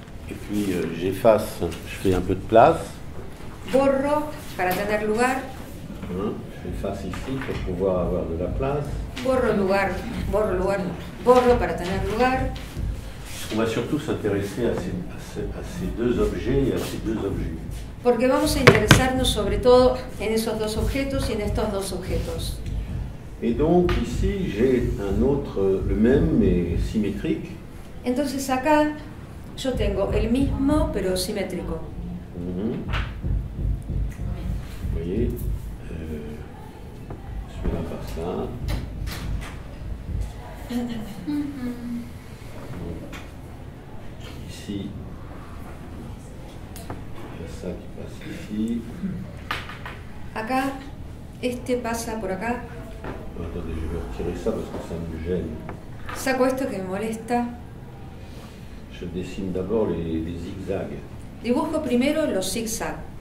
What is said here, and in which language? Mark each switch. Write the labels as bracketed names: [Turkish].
[French] Et puis j'efface, je fais un peu de place. [Spanish] Borro para tener lugar. [French] Je fais face ici pour pouvoir avoir de la place. [Spanish] Borro lugar, borro lugar, borro para tener lugar. [French] On va surtout s'intéresser à ces deux objets et à ces deux objets. [Spanish] Porque vamos a interesarnos sobre todo en esos dos objetos y en estos dos objetos. [French] Et donc ici j'ai un autre, le même mais symétrique. [Spanish] Entonces acá yo tengo el mismo pero simétrico. Mm-hmm. [French] Vous voyez, celui-là par ça. Ici. Ça qui passe ici. [Spanish] Acá, este pasa por acá. [French] Oh, attendez, je vais retirer ça parce que ça me gêne. [Spanish] Saco esto que me molesta. [French] Je dessine d'abord les zigzags. [Spanish] Dibujo primero los zigzags.